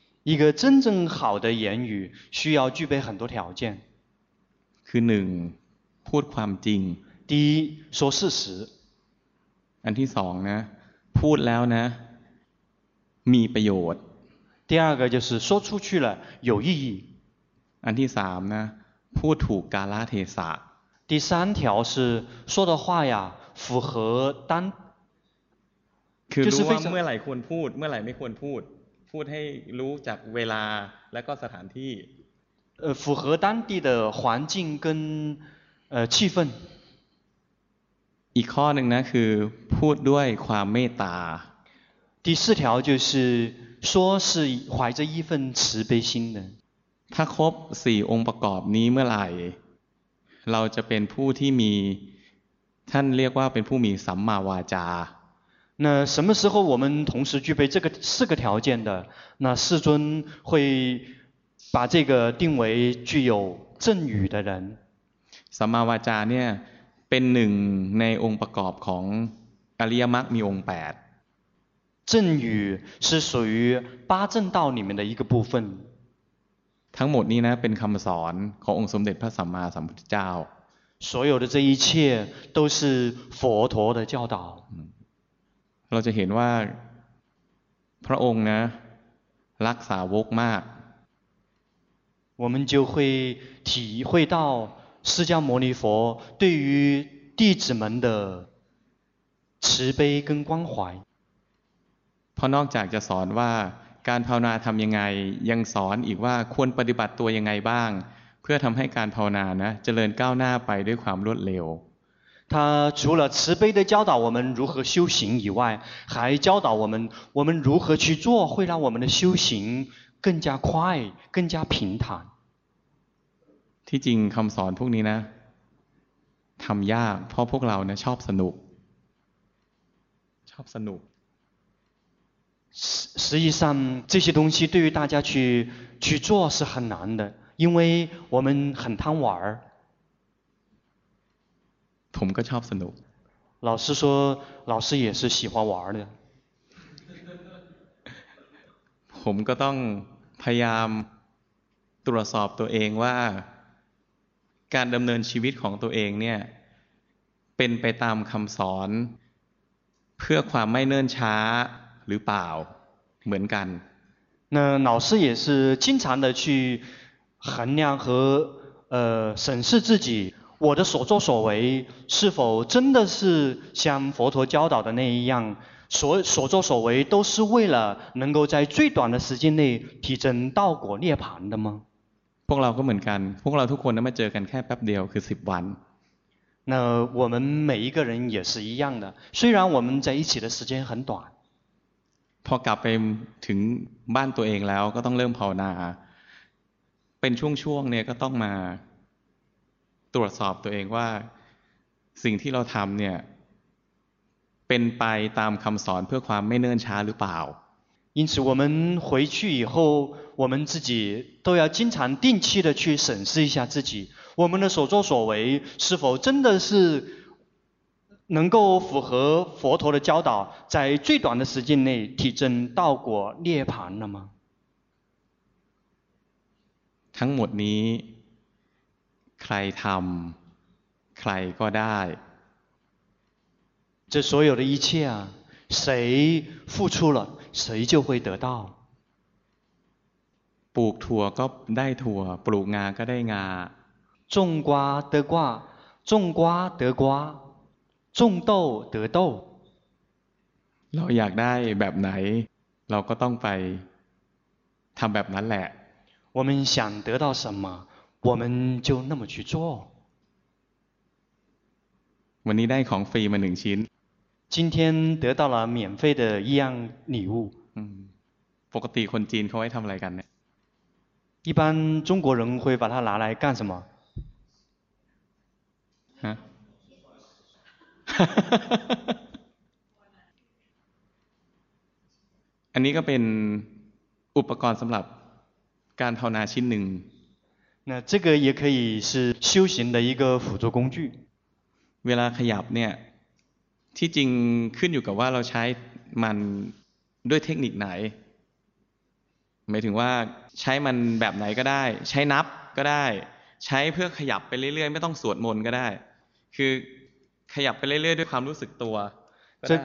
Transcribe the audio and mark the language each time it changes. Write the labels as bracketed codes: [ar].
[zh] 一个真正好的言语需要具备很多条件 [th] คือหนึ่งพูดความจริง [zh] 第一说事实 [th] อันที่สองนะพูดแล้วนะมีประโยชน์ [zh] 第二个就是说出去了有意义 [th] อันที่สามนะพูดถูกกาลเทศะ [zh] 第三条是说的话呀符合当 [th] คือรู้ว่าเมื่อไหร่ควรพูดเมื่อไหร่ไม่ควรพูดพูดให้รู้จากเวลาและก็สถานที่ [zh] 符合当地的环境跟气氛 [th] อีกข้อหนึ่งนะคือพูดด้วยความเมตตา [zh] 第四条就是说是怀着一份慈悲心的 [th] ถ้าครบ4องค์ประกอบนี้เมื่อไหร่เราจะเป็นผู้ที่มีท่านเรียกว่าเป็นผู้มีสัมมาวาจา [zh] 那什么时候我们同时具备这个四个条件的那世尊会把这个定为具有正语的人 [th] สัมมาวาจาเนี่ยเป็นหนึ่งในองค์ประกอบของอริยมรรคมีองค์8 [zh] 正语是属于八正道里面的一个部分 [th] ทั้งหมดนี้นะเป็นคำสอนขององค์สมเด็จพระสัมมาสัมพุทธเจ้า [zh] 所有的这一切都是佛陀的教导 [th] เราจะเห็นว่าพระองค์นะรักสาวกมาก [zh] 我们就会体会到释迦牟尼佛对于弟子们的慈悲跟关怀 [th] เพราะนอกจากจะสอนว่าการภาวนาทำยังไงยังสอนอีกว่าควรปฏิบัติตัวยังไงบ้างเพื่อทำให้การภาวนานะเจริญก้าวหน้าไปด้วยความรวดเร็ว [zh] 他除了慈悲的教导我们如何修行以外还教导我们如何去做会让我们的修行更加快更加平坦 [th] ที่จริงคำสอนพวกนี้นะทำยากเพราะพวกเราเนี่ยชอบสนุก ชอบสนุก [zh] 实际上这些东西对于大家去做是很难的因为我们很贪玩 [th] ผมก็ชอบสนุก [zh] 老师说老师也是喜欢玩的 [th] ผมก็ต้องพยายามตรวจสอบตัวเองว่าการดำเนินชีวิตของตัวเองเนี่ยเป็นไปตามคำสอนเพื่อความไม่เนิ่นช้าหรือเปล่าเหมือนกัน [zh] 那老师也是经常的去衡量和审视自己我的所作所为是否真的是像佛陀教导的那一样所作所为都是为了能够在最短的时间内提升道果涅槃的吗 [th] พวกเราก็เหมือนกันพวกเราทุกคนนั้นมาเจอกันแค่แป๊บเดียวคือ10วัน [zh] 那我们每一个人也是一样的虽然我们在一起的时间很短 [th] พอกลับไปถึงบ้านตัวเองแล้วก็ต้องเริ่มภาวนาเป็นช่วงๆเนี่ยก็ต้องมาตรวจสอบตัวเองว่าสิ่งที่เราทำเนี่ยเป็นไปตามคำสอนเพื่อความไม่เนิ่นช้าหรือเปล่า [zh] 因此我们回去以后我们自己都要经常定期的去审视一下自己我们的所作所为是否真的是能够符合佛陀的教导在最短的时间内提证道果涅槃了吗 [th] ทั้งหมดนี้ใครทำใครก็ได้ [zh] 这所有的一切啊谁付出了谁就会得到 [th] ปลูกถั่วก็ได้ถั่วปลูกงาก็ได้งา [zh] 种瓜得瓜种瓜得瓜种豆得豆 [th] เราอยากได้แบบไหนเราก็ต้องไปทำแบบนั้นแหละ [zh] 我们想得到什么我们就那么去做 [th] วันนี้ได้ของฟรีมา1ชิ้น [zh] 今天得到了免费的一样礼物 [th] ปกติคนจีนเขาให้ทำอะไรกันเนี่ย [zh] 一般中国人会把它拿来干什么 [th] ฮะ อันนี้ก็เป็นอุปกรณ์สำหรับการภาวนาชิ้นหนึ่ง [zh] 那这个也可以是修行的一个辅助工具 [th] เวลาขยับเนี่ยที่จริงขึ้นอยู่กับว่าเราใช้มันด้วยเทคนิคไหนหมายถึงว่าใช้มันแบบไหนก็ได้ใช้นับก็ได้ใช้เพื่อขยับไปเรื่อยๆไม่ต้องสวดมนต์ก็ได้คือขยับไปเรื่อยๆด้วยความรู้สึกตัวก็ได